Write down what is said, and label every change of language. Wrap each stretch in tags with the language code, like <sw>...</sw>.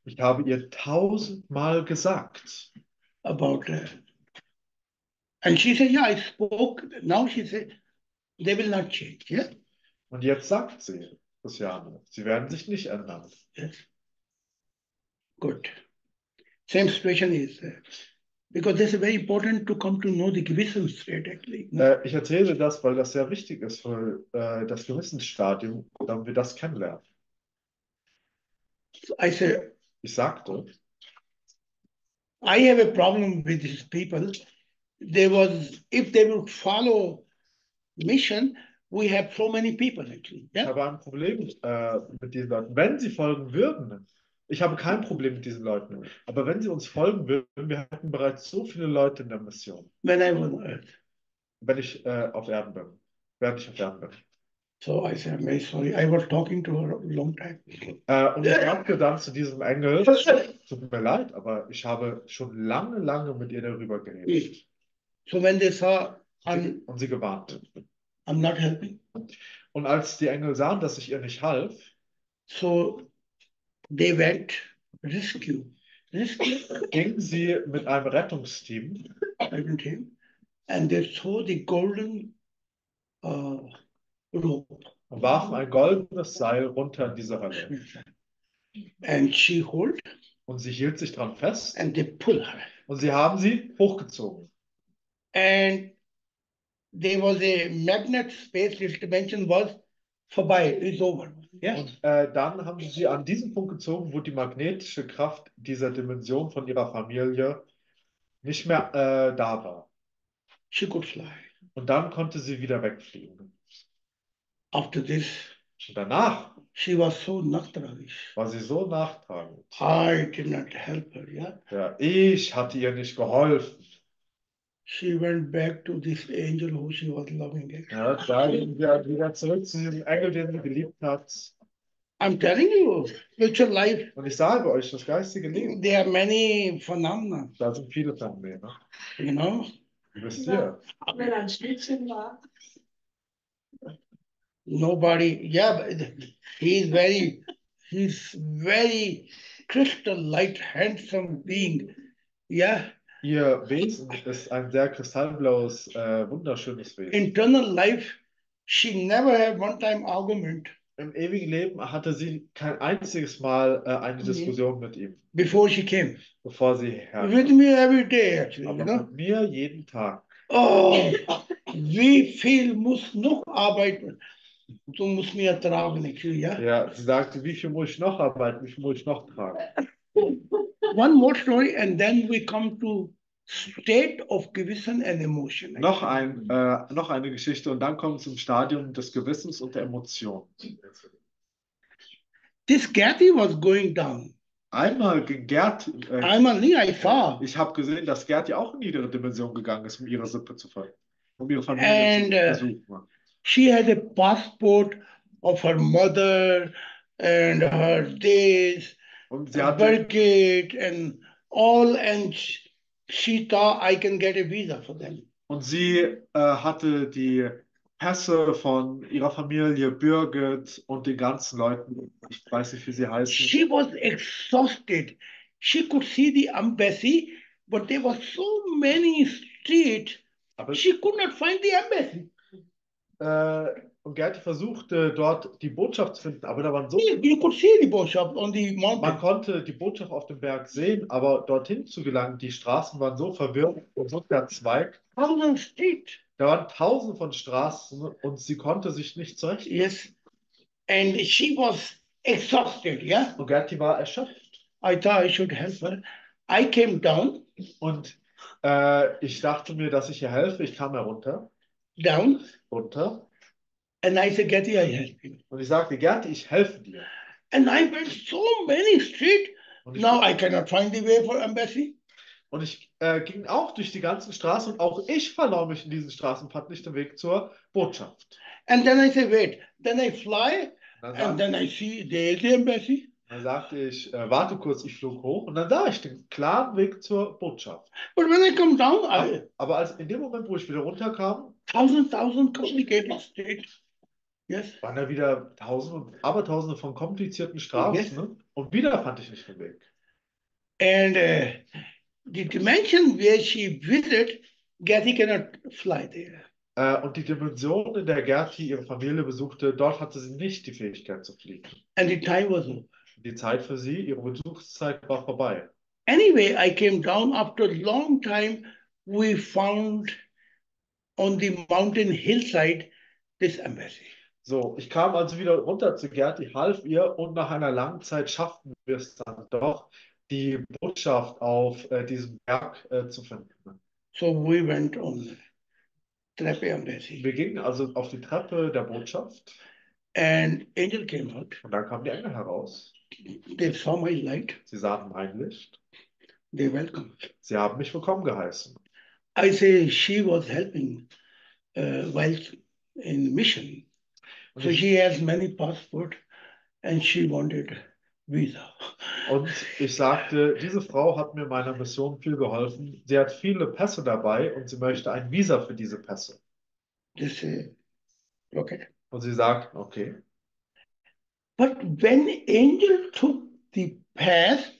<de>Ich habe ihr 1000 Mal gesagt.</de> <en>About her. And she said, yeah, I spoke. Now she said, they will not change. Yeah?</en> <de>Und jetzt sagt sie, Christiane, sie werden sich nicht ändern.</de> <en>Yes. Good. Same situation is. Because this is very important to come to know the Gewissensstadium, actually.</en> <de>Ich erzähle das, weil das sehr wichtig ist für das Gewissensstadium, damit wir das kennenlernen.</de> <en>So I say,</en> <de>ich sagte,</de> <en>I have a problem with these people. There was, if they would follow mission, we have so many people, actually. Yeah?</en> <de>Ich habe ein Problem mit diesen Leuten. Wenn sie folgen würden, ich habe kein Problem mit diesen Leuten. Aber wenn sie uns folgen würden, wir hätten bereits so viele Leute in der Mission.</de> <en>When I'm on Earth.</en> <de>Wenn ich auf Erden bin. Während ich auf Erden bin.</de> <en>So I said, I'm very sorry. I was talking to her a long time.</en> <de>Und ich sagte dann zu diesem Engel, tut mir leid, aber ich habe schon lange, lange mit ihr darüber geredet.</de> <en>So when they saw,</en> <de>und sie gewarnt.</de> <en>I'm not helping.</en> <de>Und als die Engel sahen, dass ich ihr nicht half,</de> <en>so they went rescue.</en> <de>Gingen sie mit einem Rettungsteam.</de> <en>And they saw the golden rope.</en> <de>Und warfen ein goldenes Seil runter in diese Rennen.</de> <en>And she hold.</en> <de>Und sie hielt sich dran fest.</de> <en>And they pull her.</en> <de>Und sie haben sie hochgezogen.</de> <en>And there was a magnet space, which dimension was vorbei, it's over. Yes.</en> <de>Und dann haben sie an diesen Punkt gezogen, wo die magnetische Kraft dieser Dimension von ihrer Familie nicht mehr da war.</de> <en>She could fly.</en> <de>Und dann konnte sie wieder wegfliegen.</de> <en>After this,</en> <de>und danach</de> <en>she was so nachtragisch.</en> <de>War sie so nachtragend.</de> <en>I did not help her, yeah?</en> <de>Ja, ich hatte ihr nicht geholfen.</de> <en>She went back to this angel who she was loving.</en> <de>Ja, da gehen wir wieder zurück zu diesem Engel, den sie geliebt hat.</de> <en>I'm telling you, future life.</en> <de>Und ich sage euch, das geistige Leben.</de> <en>There are many phenomena.</en> <de>Da sind viele Phänomene.</de> <en>You know?</en> <de>Wisst ihr? Wenn ein Spielchen war.</de> <en>Nobody, yeah, but he's very crystal light, handsome being. Yeah.</en> <de>Ihr Wesen ist ein sehr kristallblaues, wunderschönes Wesen.</de> <en>Internal life, she never had one time argument.</en> <de>Im ewigen Leben hatte sie kein einziges Mal eine Diskussion mit ihm.</de> <en>Before she came.</en> <de>Bevor sie herkam.</de> <en>With me every day, actually.</en> <de>Aber</de> <en>you know?</en> <de>Mit mir jeden Tag. Oh, wie viel muss noch arbeiten? Du musst mir tragen, ja? Ja, sie sagte, wie viel muss ich noch arbeiten? Wie viel muss ich noch tragen?</de> <en>One more story and then we come to state of Gewissen and Emotion.</en> <de>Noch eine Geschichte und dann kommen wir zum Stadium des Gewissens und der Emotion.</de> <en>This Gerti was going down.</en> <de>Einmal Gert. Einmal nie,</de> <en>I saw.</en> <de>Ich habe gesehen, dass Gerti auch in ihre Dimension gegangen ist, um ihre Sippe zu folgen. Um ihre Familie</de> <en>and,</en> <de>zu besuchen.</de> <en>She had a passport of her mother and her days.</en> <de>Und sie hatte</de> <en>Birgit and all and she thought I can get a visa for them.</en> <de>Und sie hatte die Pässe von ihrer Familie Birgit und den ganzen Leuten. Ich weiß nicht, wie sie heißen.</de> <en>She was exhausted. She could see the embassy, but there were so many streets.</en> <de>Aber</de> <en>she could not find the embassy.</en> <de>Und Gerti versuchte dort die Botschaft zu finden, aber da waren so viele.</de> <en>You could see the Botschaft on the mountain.</en> <de>Man konnte die Botschaft auf dem Berg sehen, aber dorthin zu gelangen, die Straßen waren so verwirrt und so verzweigt.</de> <en>Thousand street.</en> <de>Da waren tausend von Straßen und sie konnte sich nicht zurecht.</de> <en>Yes. And she was exhausted, yeah?</en> <de>Und Gerti war erschöpft.</de> <en>I thought I should help her. I came down.</en> <de>Und ich dachte mir, dass ich ihr helfe. Ich kam herunter.</de> <en>Down.</en> <de>Runter.</de> <en>And I said, Gerti, I help you.</en> <de>Und ich sagte, Gerti, ich helfe dir.</de> <en>And I went so many streets. Now I cannot find the way for embassy.</en> <de>Und ich ging auch durch die ganzen Straßen und auch ich verlor mich in diesen Straßen, fand nicht den Weg zur Botschaft.</de> <en>And then I said, wait, then I fly and then I see the embassy.</en> <de>Dann sagte ich, warte kurz, ich flog hoch und dann sah ich den klaren Weg zur Botschaft.</de> <en>But when I come down,</en> <de>aber als in dem Moment, wo ich wieder runterkam,</de> <en>tausend complicated streets. Yes.</en> <de>Waren da wieder tausende von komplizierten Straßen, yes. Ne? Und wieder fand ich nicht den Weg.</de> <en>And the dimension where she visited, Gerti cannot fly there.</en> <de>Und die Dimension, in der Gerti ihre Familie besuchte, dort hatte sie nicht die Fähigkeit zu fliegen.</de> <en>And the time was over.</en> <de>Die Zeit für sie, ihre Besuchszeit war vorbei.</de> <en>Anyway, I came down after a long time. We found on the mountain hillside this embassy.</en> <de>So, ich kam also wieder runter zu Gerti, half ihr und nach einer langen Zeit schafften wir es dann doch, die Botschaft auf diesem Berg zu finden.</de> <en>So we went on the Treppe embassy.</en> <de>Wir gingen also auf die Treppe der Botschaft.</de> <en>And Angel came out.</en> <de>Und dann kam die Engel heraus.</de> <en>They saw my light.</en> <de>Sie sahen mein Licht.</de> <en>They welcome.</en> <de>Sie haben mich willkommen geheißen.</de> <en>I say she was helping while in mission. Und so she has many passport and she wanted visa.</en> <de>Und ich sagte, diese Frau hat mir meiner Mission viel geholfen. Sie hat viele Pässe dabei und sie möchte ein Visa für diese Pässe.</de> <en>They say, okay.</en> <de>Und sie sagt, okay.</de> <en>But when Angel took the path,</en>